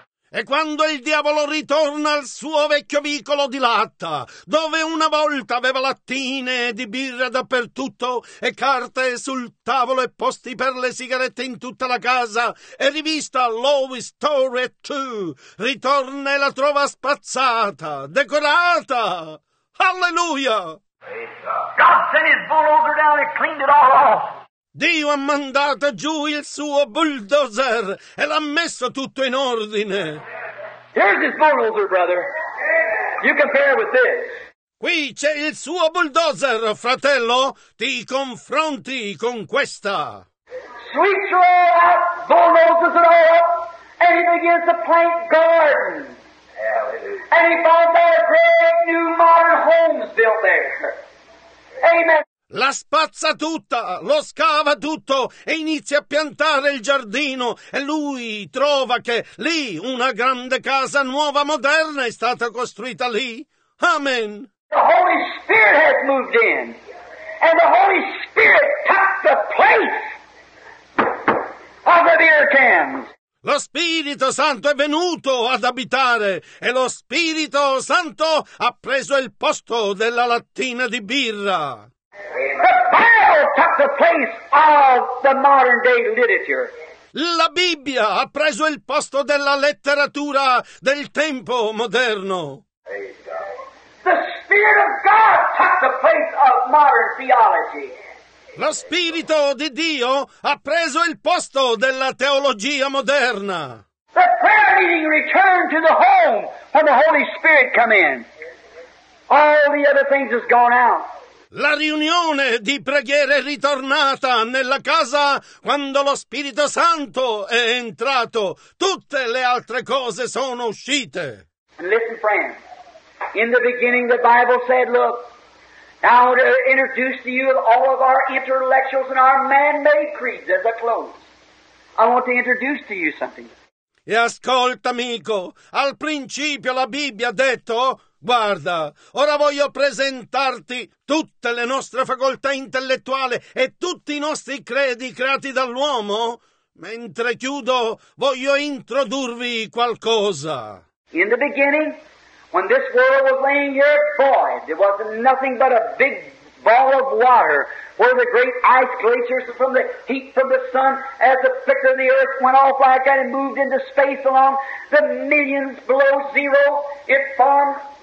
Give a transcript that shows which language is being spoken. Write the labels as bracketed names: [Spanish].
[Italian] E quando il diavolo ritorna al suo vecchio vicolo di latta, dove una volta aveva lattine di birra dappertutto e carte sul tavolo e posti per le sigarette in tutta la casa, e rivista Love Story 2, ritorna e la trova spazzata, decorata. Alleluia! [English] God sent his bulldozer down and cleaned it all off. [Italian] Dio ha mandato giù il suo bulldozer e l'ha messo tutto in ordine. [English] Here's his bulldozer, brother. You compare with this. [Italian] Qui c'è il suo bulldozer, fratello. Ti confronti con questa. [English] Sweeps all up, bulldozes it all up, and he begins to plant gardens. And he found a great new modern homes built there. Amen. [Italian] La spazza tutta, lo scava tutto e inizia a piantare il giardino e lui trova che lì una grande casa nuova moderna è stata costruita lì. Amen. [English] The Holy Spirit has moved in and the Holy Spirit took the place of the beer cans. [Italian] Lo Spirito Santo è venuto ad abitare e lo Spirito Santo ha preso il posto della lattina di birra. [English] The Bible took the place of the modern day literature. [Italian] La Bibbia ha preso il posto della letteratura del tempo moderno. [English] The Spirit of God took the place of modern theology. [Italian] Lo Spirito di Dio ha preso il posto della teologia moderna. [English] The prayer meeting returned to the home when the Holy Spirit came in. All the other things has gone out. [Italian] La riunione di preghiera è ritornata nella casa quando lo Spirito Santo è entrato. Tutte le altre cose sono uscite. [English] And listen, friend. In the beginning the Bible said, look, now to introduce to you all of our intellectuals and our man-made creeds as a close. I want to introduce to you something. [Italian] E ascolta, amico, al principio la Bibbia ha detto... Guarda, ora voglio presentarti tutte le nostre facoltà intellettuali e tutti i nostri credi creati dall'uomo. Mentre chiudo, voglio introdurvi qualcosa. [English] In the beginning, when this world was laying here void, it was nothing but a big ball of water where the great ice glaciers from the heat from the sun as the flicker of the earth went off like that and moved into space along the millions below zero, it formed...